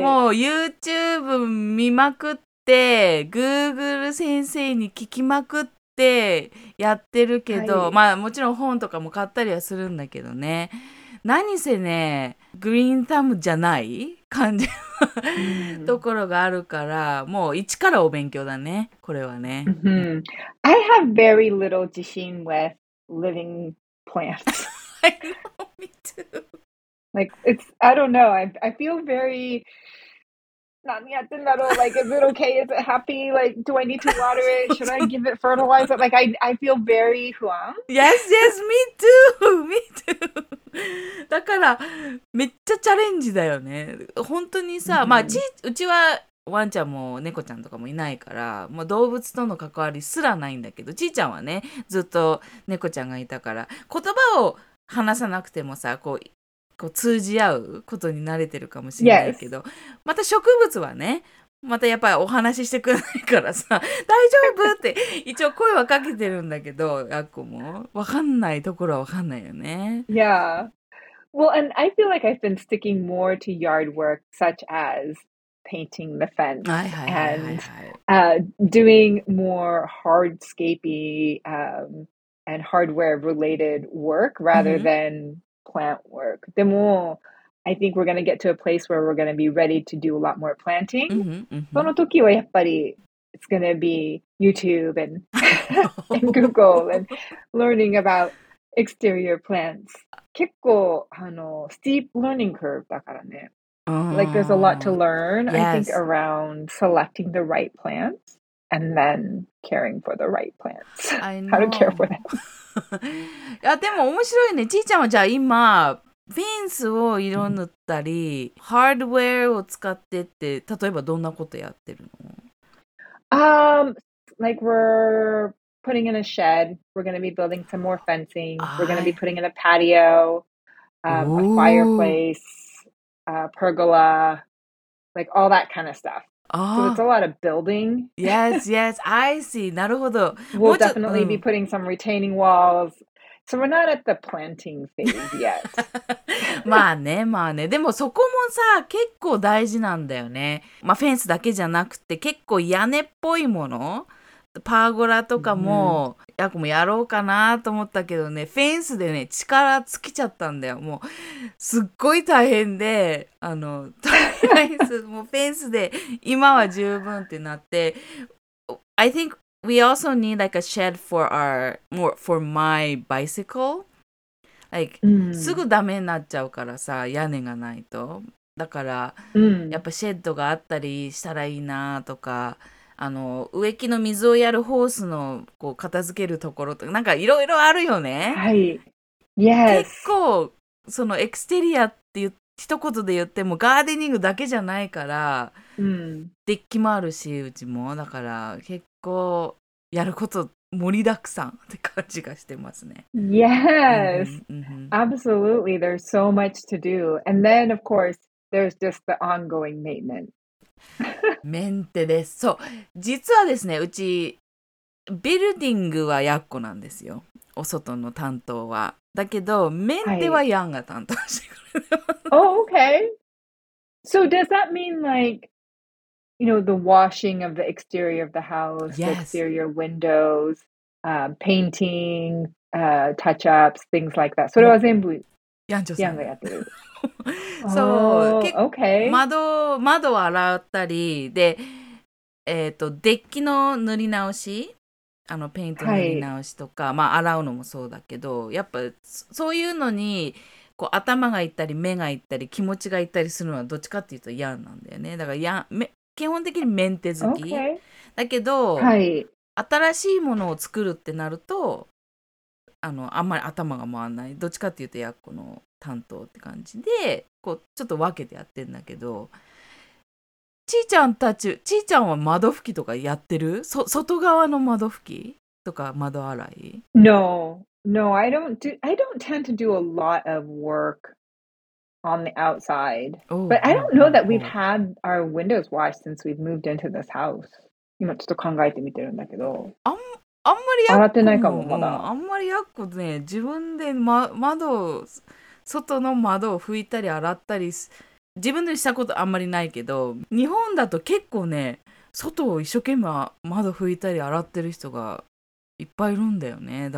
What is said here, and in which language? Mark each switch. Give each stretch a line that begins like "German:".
Japanese: もう YouTube 見まくって Google 先生に聞きまくってやってるけど、はい、まあもちろん本とかも買ったりはするんだけどね。何せね、グリーンサムじゃない感じのところがあるから、もう一からお勉強だね、これはね。 Mm-hmm.
English: I have very little
Japanese: 自信
English: with living plants. I know, me too. Like, it's, I don't know, I feel very,
Japanese: 何やってんだろう、
English: like, is it okay, is it happy, like, do I need to water it, should I give it fertilizer, like, I feel very
Japanese: 不安。
English: Yes, yes, me too, me too.
Japanese: だからめっちゃチャレンジだよね本当にさ、まあ、うちはワンちゃんも猫ちゃんとかもいないから、まあ、動物との関わりすらないんだけど、ちーちゃんはねずっと猫ちゃんがいたから言葉を話さなくてもさこう通じ合うことに慣れてるかもしれないけど、
English: yes.
Japanese: また植物はねまたやっぱりお話ししてくれないからさ大丈夫って一応声はかけてるんだけどやっこも分かんないところは分かんないよね。
English: Yeah. Well, and I feel like I've been sticking more to yard work such as painting the fence and doing more hardscapey and hardware related work rather than plant work.
Japanese: でも
English: I think we're going to get to a place where we're going to be ready to do a lot more planting.
Japanese: その時はやっぱり
English: it's going to be YouTube and, and Google and learning about exterior plants.
Japanese: 結構あの
English: steep learning curve
Japanese: だからね。
English: Like there's a lot to learn, yes. I think, around selecting the right plants and then caring for the right plants. I know. How to care for them.
Japanese: いやでも面白いね。ちーちゃんはじゃあ今フェンスを色塗ったり、ハードウェアを使ってって、例えばどんなことやってるの？
English: Like we're putting in a shed, we're going to be building some more fencing, we're going to be putting in a patio, a fireplace, a pergola, like all that kind of stuff. So it's a lot of building. Yes, yes, I see.
Japanese: なるほど。
English: We'll definitely be putting some retaining walls. So we're not at the planting phase yet.
Japanese: まあね、まあね。でもそこもさ、結構大事なんだよね。まあフェンスだけじゃなくて、結構屋根っぽいもの、パーゴラとかも、ヤコもやろうかなと思ったけどね、フェンスでね、力尽きちゃったんだよ。もう、すっごい大変で、とりあえず、もうフェンスで今は十分ってなって、
English: I think,We also need like a shed for our more for my bicycle.
Japanese: Like,、すぐダメになっちゃうからさ、屋根がないと。だから、やっぱシェッドがあったりしたらいいなとか、植木の水をやるホースのこう片付けるところとか、なんかいろいろあるよね。はい。Yes. 結構そのエクステリアって言って一言で言ってもガーデニングだけじゃないから、デッキもあるしうちもだから結構やること盛りだくさんって感じがしてますね。
English: Yes, absolutely. There's so much to do, and then of course there's just the ongoing maintenance.
Japanese: メンテです。そう、実はですね、うちビルディングはやっこなんですよ。お外の担当は。だけど、メンテはヤンが担当してくれ
English: る。Oh, okay. So does that mean like, you know, the washing of the exterior of the house, yes. the exterior windows, painting, touch-ups, things like that.
Japanese: それは全部ヤンがやってる。そう、
English: okay.
Japanese: 窓を洗ったり、で、デッキの塗り直し、ペイント塗り直しとか、はい、まあ洗うのもそうだけど、やっぱそういうのにこう頭がいったり目がいったり気持ちがいったりするのはどっちかっていうとヤンなんだよね。だからヤン基本的にメンテ好き、
English: okay.
Japanese: だけど、はい、新しいものを作るってなるとあんまり頭が回らない、どっちかっていうとヤッコの担当って感じで、こうちょっと分けてやってんだけど、ちーちゃんたち、ちーちゃんは窓拭きとかやってる？外側の窓拭きとか窓洗い？
English: No, no, I don't tend to do a lot of work on the outside. But I don't know that we've had our windows washed since we've moved into this house.
Japanese: 今ちょっと考えてみてるんだけど。あんまりやっ洗ってないかも、まだ。あんまりやっこね、自分で、ま、窓を、外の窓を拭いたり洗ったり、自分でしたことあんまりないけど、日本だと結構ね、外を一生懸命窓拭いたり洗ってる人がいっぱいいるんだよね。